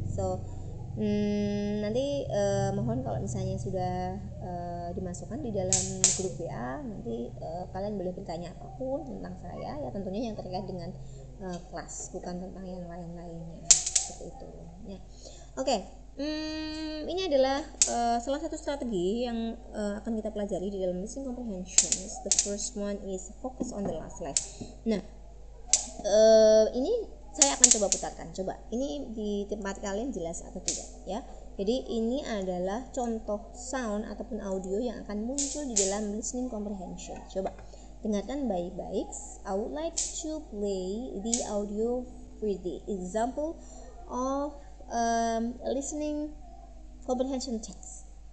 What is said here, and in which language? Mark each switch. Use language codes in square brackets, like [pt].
[id] So nanti mohon kalau misalnya sudah dimasukkan di dalam grup WA, nanti kalian boleh bertanya apapun tentang saya, ya tentunya yang terkait dengan kelas, bukan tentang yang lain-lainnya seperti itu ya. Oke, ini adalah salah satu strategi yang akan kita pelajari di dalam listening comprehension. [en] The first one is focus on the last slide. [id] Nah, ini saya akan coba putarkan. Coba, ini di tempat kalian jelas atau tidak ya. Jadi ini adalah contoh sound ataupun audio yang akan muncul di dalam listening comprehension. Coba dengarkan baik-baik. [en] I would like to play the audio for the example of listening comprehension text.